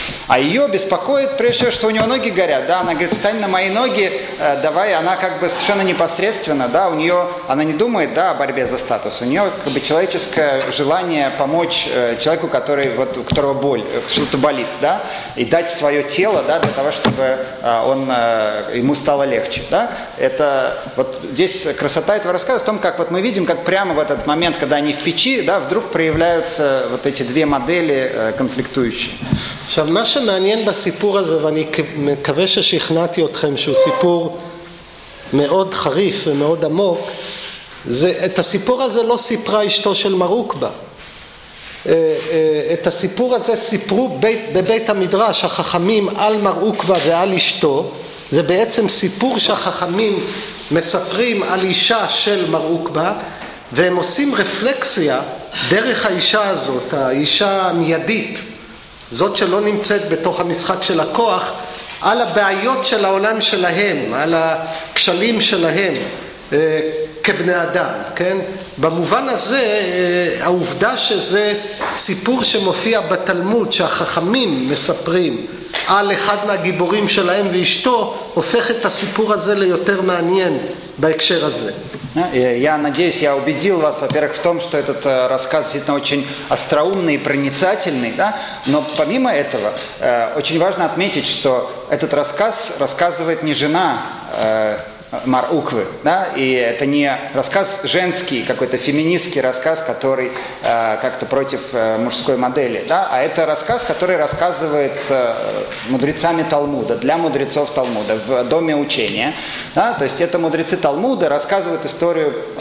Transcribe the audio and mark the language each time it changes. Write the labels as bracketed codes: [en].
[ru] А ее беспокоит, прежде всего, что у нее ноги горят, да, она говорит, встань на мои ноги, давай, она как бы совершенно непосредственно, да, у нее, она не думает, да, о борьбе за статус, у нее как бы человеческое желание помочь человеку, который, вот, у которого боль, что-то болит, да, и дать свое тело, да, для того, чтобы он, ему стало легче, да. Это, вот здесь красота этого рассказа в том, как вот мы видим, как прямо в этот момент, когда они в печи, да, вдруг проявляются вот эти две модели конфликтующие. [he] עכשיו, מה שמעניין בסיפור הזה, ואני מקווה ששכנעתי אתכם שהוא סיפור מאוד חריף ומאוד עמוק, זה, את הסיפור הזה לא סיפרה אשתו של מרוקבה. את הסיפור הזה סיפרו בבית המדרש, החכמים על מרוקבה ועל אשתו. זה בעצם סיפור שהחכמים מספרים על אישה של מרוקבה, והם עושים רפלקסיה דרך האישה הזאת, האישה המיידית, זאת שלא נמצאת בתוך המשחק של הכוח, על הבעיות של העולם שלהם, על הכשלים שלהם כבני אדם, כן? במובן הזה, העובדה שזה סיפור שמופיע בתלמוד, שהחכמים מספרים על אחד מהגיבורים שלהם ואשתו, הופך את הסיפור הזה ליותר מעניין בהקשר הזה. [ru] Я надеюсь, я убедил вас, во-первых, в том, что этот рассказ действительно очень остроумный и проницательный, да? Но помимо этого, очень важно отметить, что этот рассказ рассказывает не жена Мар Уквы, да, и это не рассказ женский, какой-то феминистский рассказ, который как-то против мужской модели, да, а это рассказ, который рассказывается мудрецами Талмуда, для мудрецов Талмуда, в доме учения, да, то есть это мудрецы Талмуда рассказывают историю